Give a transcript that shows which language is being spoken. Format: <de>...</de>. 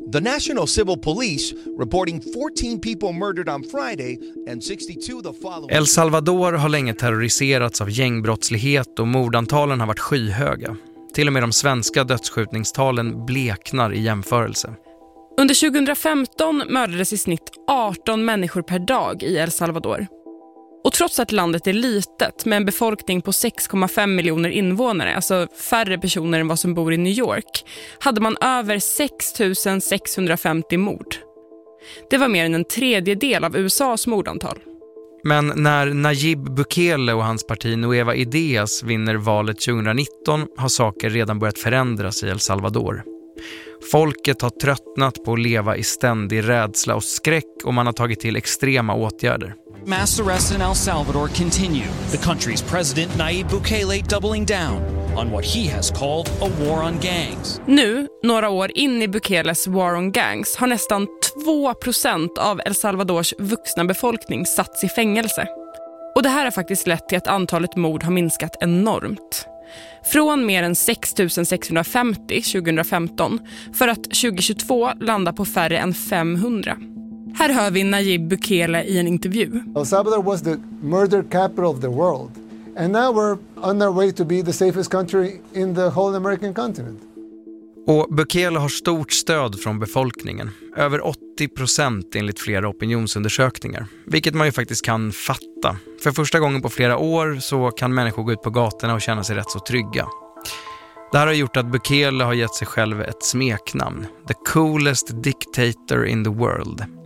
<en>The National Civil Police reporting 14 people murdered on Friday and 62 the following.</en> <sv>El Salvador har länge terroriserats av gängbrottslighet och mordantalen har varit skyhöga. Till och med de svenska dödsskjutningstalen bleknar i jämförelse. Under 2015 mördades i snitt 18 människor per dag i El Salvador. Och trots att landet är litet med en befolkning på 6,5 miljoner invånare, alltså färre personer än vad som bor i New York, hade man över 6 650 mord. Det var mer än en tredjedel av USAs mordantal. Men när Nayib Bukele och hans parti Nueva Ideas vinner valet 2019 har saker redan börjat förändras i El Salvador. Folket har tröttnat på att leva i ständig rädsla och skräck och man har tagit till extrema åtgärder.</sv> <en>Mass arrests in El Salvador continue. The country's president Nayib Bukele doubling down on what he has called a war on gangs.</en> <sv>Nu, några år in i Bukeles</sv> <en>war on gangs,</en> <sv>har nästan 2% av El Salvadors vuxna befolkning satts i fängelse. Och det här har faktiskt lett till att antalet mord har minskat enormt. Från mer än 6650 2015 för att 2022 landa på färre än 500. Här hör vi Nayib Bukele i en intervju.</sv> <en>El Salvador was the murder capital of the world. And now we're on our way to be the safest country in the whole American continent.</en> <sv>Och Bukele har stort stöd från befolkningen. Över 80% enligt flera opinionsundersökningar. Vilket man ju faktiskt kan fatta. För första gången på flera år så kan människor gå ut på gatorna och känna sig rätt så trygga. Det här har gjort att Bukele har gett sig själv ett smeknamn.</sv> <en>The coolest dictator in the world.</en>